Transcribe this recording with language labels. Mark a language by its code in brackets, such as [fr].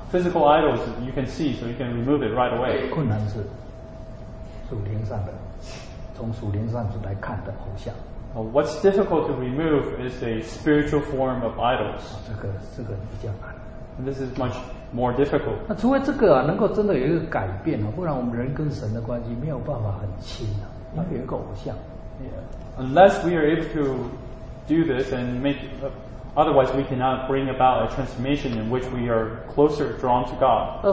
[en] Physical idols you can see, so you can remove it right away. [zh] 困难是属灵上的，从属灵上来看的偶像。 [en] What's difficult to remove is a spiritual form of idols. [zh] 这个比较难。 [en] This is much more difficult. [zh] 那除非这个能够真的有一个改变，不然我们人跟神的关系没有办法很亲，要有一个偶像。 [en] Yeah. Unless we are able to do this and make, otherwise we cannot bring about a transformation in which we are closer drawn to God.